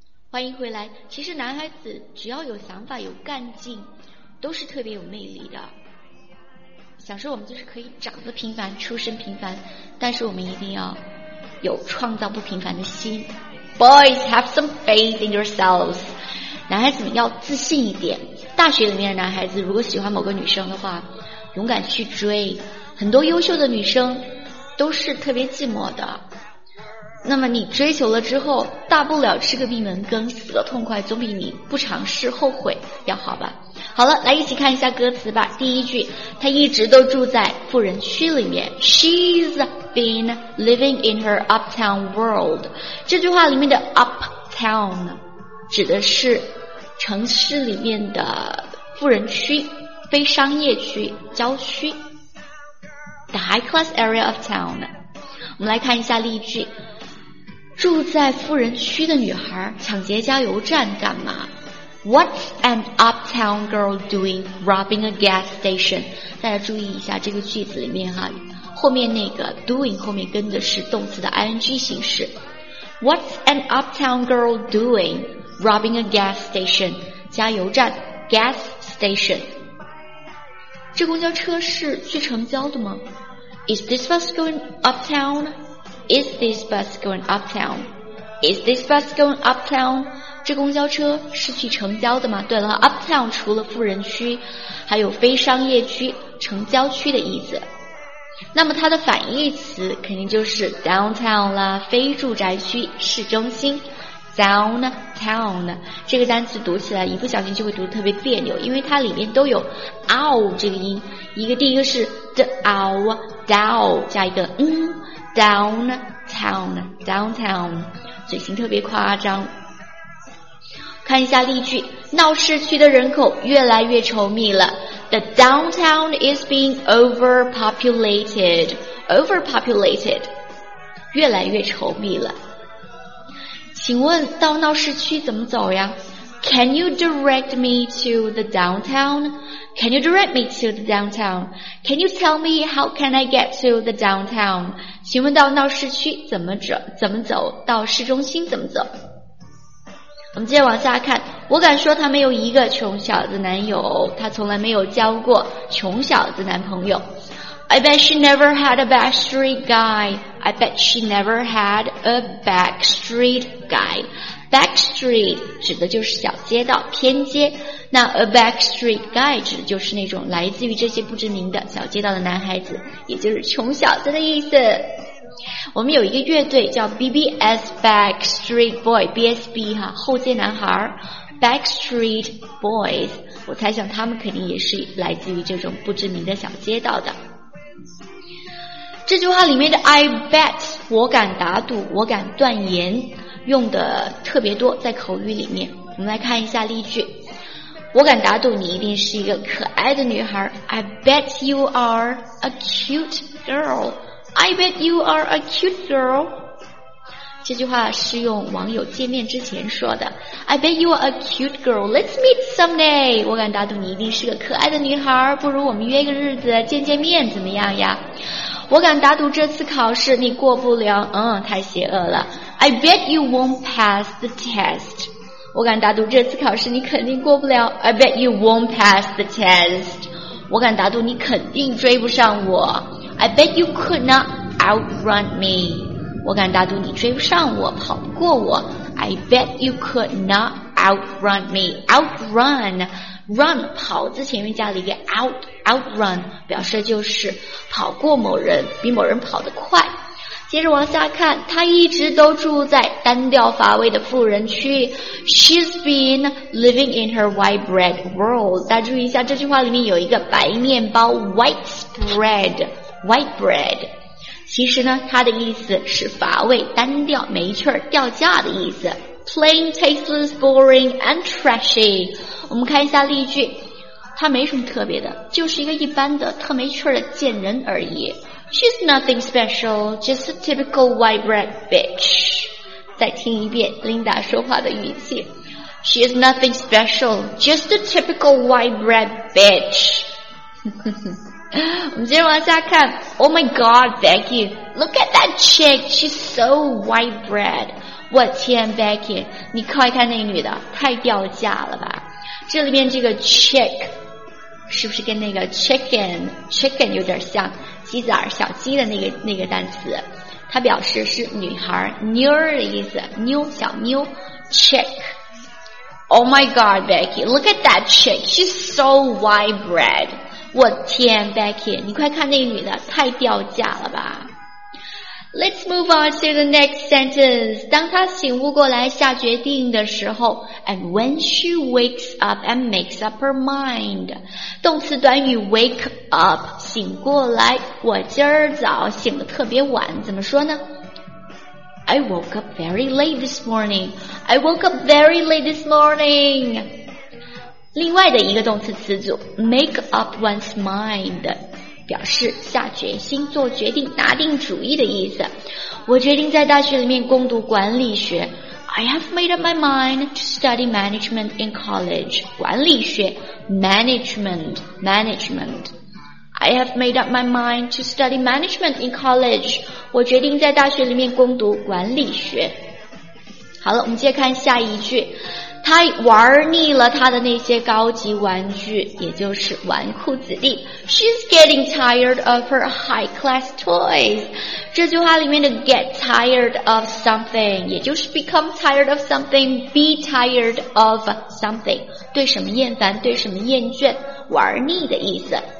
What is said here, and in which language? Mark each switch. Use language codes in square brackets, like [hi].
[zh] 欢迎回来。其实男孩子只要有想法有干劲，都是特别有魅力的。想说我们就是可以长得平凡，出身平凡，但是我们一定要有创造不平凡的心。 [en] Boys have some faith in yourselves， [zh] 男孩子们要自信一点。大学里面的男孩子如果喜欢某个女生的话，勇敢去追。很多优秀的女生都是特别寂寞的，那么你追求了之后，大不了吃个闭门羹，死得痛快，总比你不尝试后悔要好吧。好了，来一起看一下歌词吧。第一句，她一直都住在富人区里面。 [en] She's been living in her uptown world. [zh] 这句话里面的 uptown 指的是城市里面的富人区，非商业区，郊区。 [en] The high class area of town. [zh] 我们来看一下例句。住在富人区的女孩抢劫加油站干嘛？ [en] What's an uptown girl doing robbing a gas station? [zh] 大家注意一下这个句子里面哈，后面那个 doing 后面跟的是动词的 ing 形式。 [en] What's an uptown girl doing robbing a gas station? [zh] 加油站 gas station. 这公交车是去城郊的吗？ [en] Is this bus going uptown? Is this bus going uptown? Is this bus going uptown? [zh] 这公交车是去城郊的吗？对了 ,uptown 除了富人区还有非商业区，城郊区的意思。那么它的反义词肯定就是 downtown 啦，非住宅区，市中心。 downtown 这个单词读起来一不小心就会读得特别别扭，因为它里面都有 ow 这个音，一个第一个是 d-ow, dow, 加一个 downtown, downtown, 嘴型特别夸张。看一下例句，闹市区的人口越来越稠密了。 [en] The downtown is being overpopulated. [zh] Overpopulated. 越来越稠密了。请问到闹市区怎么走呀？ [en] Can you direct me to the downtown? Can you direct me to the downtown? Can you tell me how can I get to the downtown? [zh] 请问到闹市区怎么走？到市中心怎么走？我们接着往下看，我敢说她没有一个穷小子男友，她从来没有交过穷小子男朋友。 [en] I bet she never had a backstreet guy. I bet she never had a backstreet guy. [zh] Backstreet 指的就是小街道、偏街，那 a backstreet guy 指的就是那种来自于这些不知名的小街道的男孩子，也就是穷小子的意思。我们有一个乐队叫 BBS Backstreet Boy BSB 哈，后街男孩 Backstreet Boys， 我猜想他们肯定也是来自于这种不知名的小街道的。这句话里面的 I bet， 我敢打赌，我敢断言，用的特别多在口语里面。我们来看一下例句，我敢打赌你一定是一个可爱的女孩。 [en] I bet you are a cute girlI bet you are a cute girl. [zh] 这句话是用网友见面之前说的。 [en] I bet you are a cute girl. Let's meet someday. [zh] 我敢打赌你一定是个可爱的女孩，不如我们约个日子见见面怎么样呀？我敢打赌这次考试你过不了，太邪恶了。 [en] I bet you won't pass the test. [zh] 我敢打赌这次考试你肯定过不了。 [en] I bet you won't pass the test. [zh] 我敢打赌你肯定追不上我。 [en] I bet you could not outrun me. [zh] 我敢打赌你追不上我，跑不过我。 [en] I bet you could not outrun me. [zh] Outrun, run 跑字前面加了一个 outrun， 表示就是跑过某人，比某人跑得快。接着往下看，他一直都住在单调乏味的富人区。 [en] She's been living in her white bread world. [zh] 大家注意一下，这句话里面有一个白面包 white bread。 White bread， 其实呢，它的意思是乏味、单调、没趣、掉价的意思。 [en] Plain, tasteless, boring, and trashy。 [zh] 我们看一下例句，它没什么特别的，就是一个一般的、特没趣的贱人而已。 [en] She's nothing special, just a typical white bread bitch。 [zh] 再听一遍 Linda 说话的语气。 [en] She's nothing special, just a typical white bread bitch。 [zh] 我们接着往下看。 [en] Oh my God, thank you. Look at that chick. She's so white bread. [zh] 我天 ，Becky， 你快看那女的，太掉价了吧？这里面这个 chick 是不是跟那个 chicken 有点像？鸡仔小鸡的那个单词，它表示是女孩妞儿的意思，妞小妞 chick。 [en] Oh my God, Becky. Look at that chick. She's so white bread. [zh] 我天 ，Becky， 你快看那女的，太掉价了吧！ [en] Let's move on to the next sentence. [zh] 当她醒悟过来下决定的时候 [en] And when she wakes up and makes up her mind. [zh] 动词短语 wake up, 醒过来。我今儿早醒得特别晚，怎么说呢？ [en] I woke up very late this morning. I woke up very late this morning. [zh] 另外的一个动词词组 make up one's mind， 表示下决心、做决定、拿定主意的意思。我决定在大学里面攻读管理学。 [en] I have made up my mind to study management in college. [zh] 管理学 management, management. [en] I have made up my mind to study management in college. [zh] 我决定在大学里面攻读管理学。好了，我们接着看下一句。他玩腻了他的那些高级玩具，也就是纨绔子弟。 [en] She's getting tired of her high-class toys. [zh] 这句话里面的 get tired of something, 也就是 become tired of something, be tired of something, 对什么厌烦，对什么厌倦，玩腻的意思。